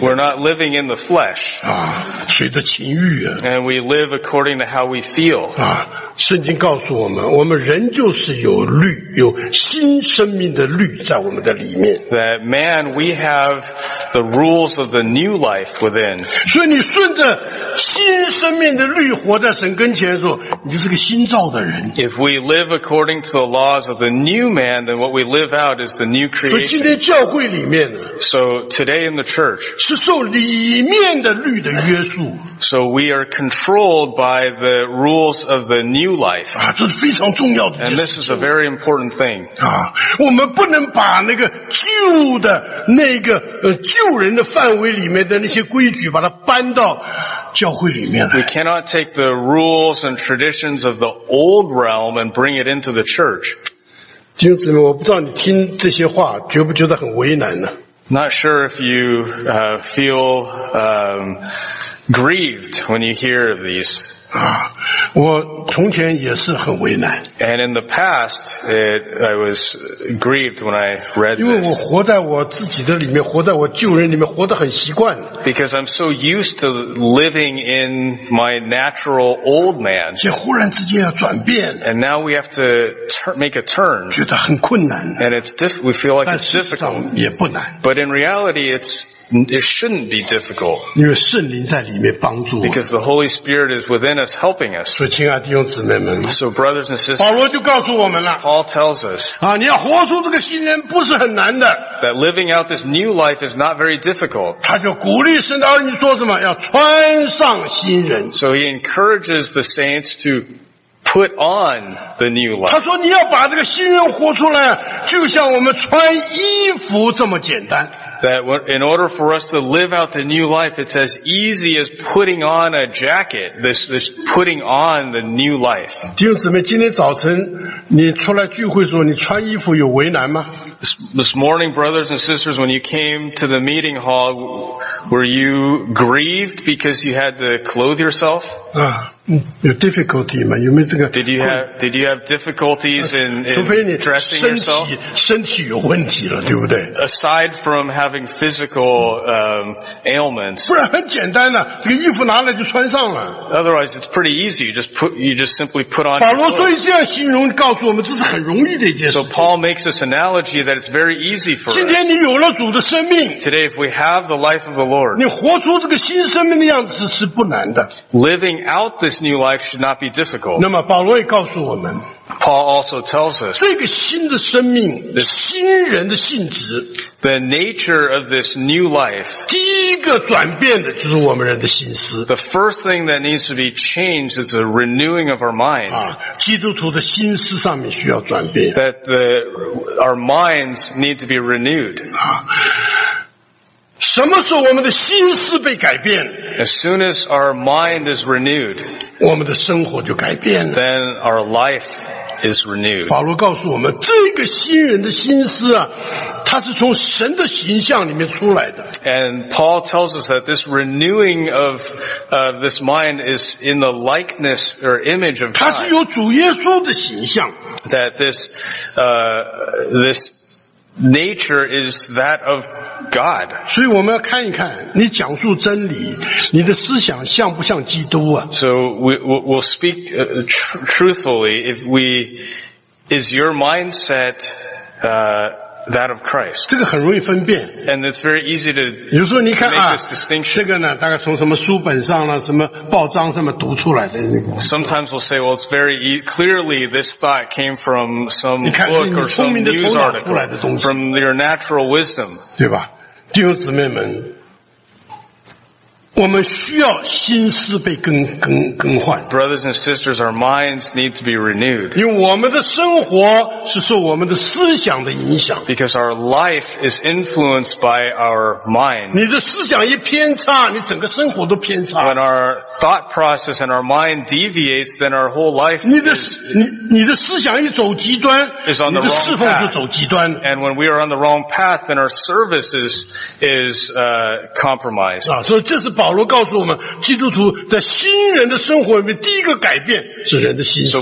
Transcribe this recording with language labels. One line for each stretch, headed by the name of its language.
English: We're not living in the flesh.
Chinese: 啊随着情欲啊。
English: And we live according to how we feel.
Chinese: 啊圣经告诉我们我们人就是有律有新生命的律在我们的里面。
English: That man, we have the rules of the new life within.
Chinese: 所以你顺着新生命的律活在神跟前的时候你就是个新造的人。
English: If we live according to the laws of the new man, then what we live out is the new creation.
Chinese: 所以今天教会里面呢
English: So today in the church,
Chinese: 是受里面的律的约束。
English: So we are controlled by the rules of the new life.
Chinese: 啊这是非常重要的。
English: And this is a very important thing.
Chinese: 啊我们不能把那个旧的那个旧人的范围里面的那些规矩把它搬到教会里面来。
English: We cannot take the rules and traditions of the old realm and bring it into the church.
Chinese: 弟兄姊妹我不知道你听这些话觉不觉得很为难呢
English: Not sure if you, feel, grieved when you hear these.
Chinese: 啊我从前也是很为难。
English: And in the past, I was grieved when I read this.
Chinese: 因为我活在我自己的里面活在我旧人里面活得很习惯。
English: Because I'm so used to living in my natural old man.
Chinese: 现在忽然之间要转变。
English: And now we have to make a turn.
Chinese: 觉得很困难。
English: And we feel like it's difficult.
Chinese: 但事实上也不难。
English: But in reality, it shouldn't be difficult.
Chinese: 因为圣灵在里面帮助我。
English: Because the Holy Spirit is within us helping us.
Chinese: 所以亲爱弟兄姊妹们。
English: So brothers and sisters.
Chinese: 保罗就告诉我们了。
English: Paul tells us.
Chinese: 啊你要活出这个新人不是很难的。
English: That living out this new life is not very difficult.
Chinese: 他就鼓励神的儿女做什么要穿上新人。
English: So he encourages the saints to put on the new life.
Chinese: 他说你要把这个新人活出来就像我们穿衣服这么简单。
English: That in order for us to live out the new life, it's as easy as putting on a jacket, this putting on the new life.
Chinese: 弟兄姊妹今天早晨你出来聚会的时候你穿衣服有为难吗
English: This morning, brothers and sisters, when you came to the meeting hall, were you grieved because you had to clothe yourself?
Chinese: 啊有 difficulty 吗有没有这个
English: Did you have difficulties in dressing yourself?
Chinese: 身体有问题了对不对
English: Aside from having physical, ailments.
Chinese: 不然很简单了这个衣服拿来就穿上了。
English: Otherwise, it's pretty easy. You just simply put on.
Chinese: 保罗所以这样形容告诉我们这是很容易的一件事。
English: So Paul makes this analogy that it's very easy for us.
Chinese: 今天你有了主的生命。
English: Today, if we have the life of the Lord.
Chinese: 你活出这个新生命的样子是不难的。
English: Living out this new life should not be difficult.
Chinese: 那么保罗也告诉我们。
English: Paul also tells us,
Chinese: 这个新的生命 新人的性质
English: the nature of this new life,
Chinese: 第一个转变的就是我们人的心思
English: the first thing that needs to be changed is the renewing of our mind,
Chinese: 啊，基督徒的心思上面需要转变
English: that our minds need to be renewed,
Chinese: 啊什么时候我们的心思被改变
English: As soon as our mind is renewed,
Chinese: 我们的生活就改变了
English: then our life is renewed.
Chinese: 保罗告诉我们这个新人的心思啊它是从神的形象里面出来的。
English: And Paul tells us that this renewing of, this mind is in the likeness or image of God.
Chinese: 它是由主耶稣的形象。
English: That this nature is that of God.
Chinese: 所以我们要看一看你讲述真理你的思想像不像基督啊
English: So we'll speak truthfully if we, is your mindset, that of Christ.
Chinese: 这个很容易分辨。
English: And it's very easy to
Chinese: 比如说你看啊,
English: make this distinction.
Chinese: 这个呢,大概从什么书本上呢,什么报章上面读出来的。
English: Sometimes we'll say, well, it's very clearly this thought came from some book or some news article, from your natural wisdom.
Chinese: 对吧? 弟兄姊妹们,我们需要心思被更换。
English: Brothers and sisters, our minds need to be renewed.
Chinese: 因为我们的生活是受我们的思想的影响。
English: Because our life is influenced by our mind.
Chinese: 你的思想一偏差，你整个生活都偏差。
English: When our thought process and our mind deviates, then our whole life
Chinese: 你的思想一走极端，你的侍奉就走极端。
English: And when we are on the wrong path, then our service is compromised.
Chinese: 啊，所以这是保罗告诉我们，基督徒在新人的生活里面，第一个改变是人的心思。